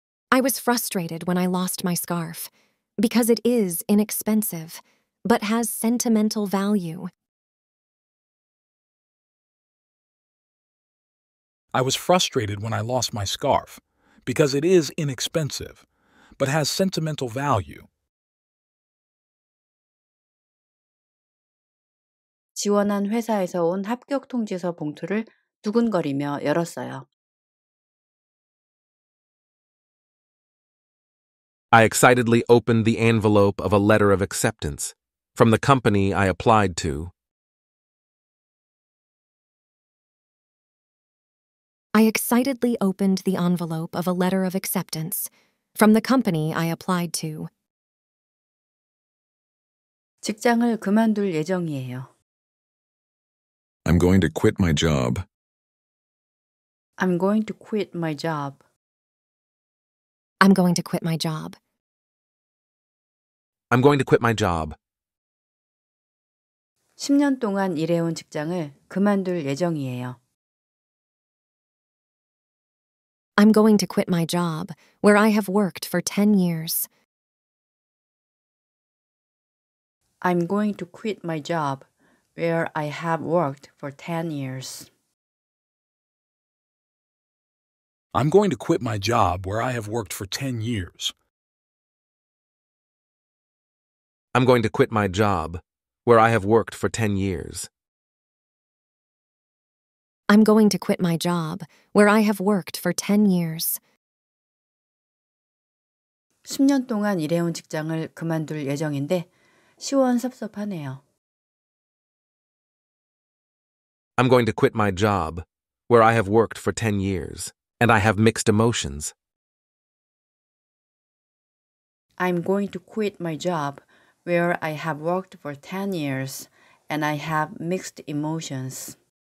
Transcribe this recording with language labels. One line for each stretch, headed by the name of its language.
English: I was frustrated when I lost my scarf because it is inexpensive but has sentimental value. I was frustrated when I lost my scarf because it is inexpensive but has sentimental value.
Korean: 지원한 회사에서 온 합격 통지서 봉투를 두근거리며 열었어요.
English: I excitedly opened the envelope of a letter of acceptance from the company I applied to. I excitedly opened the envelope of a letter of acceptance from the company I applied to.
Korean: 직장을 그만둘 예정이에요.
English: I'm going to quit my job. I'm going to quit my job. I'm going to quit my job. I'm going to quit my job.
Korean: 10년 동안 일해온 직장을 그만둘 예정이에요.
English: I'm going to quit my job, where I have worked for 10 years. I'm going to quit my job, where I have worked for 10 years. I'm going to quit my job, where I have worked for 10 years. I'm going to quit my job, where I have worked for 10 years. I'm going to quit my job, where I have worked for 10 years.
Korean: 10년 동안 일해온 직장을 그만둘 예정인데 시원섭섭하네요.
English: I'm going to quit my job, where I have worked for 10 years, and I have mixed emotions. I'm going to quit my job, where I have worked for 10 years, and I have mixed emotions.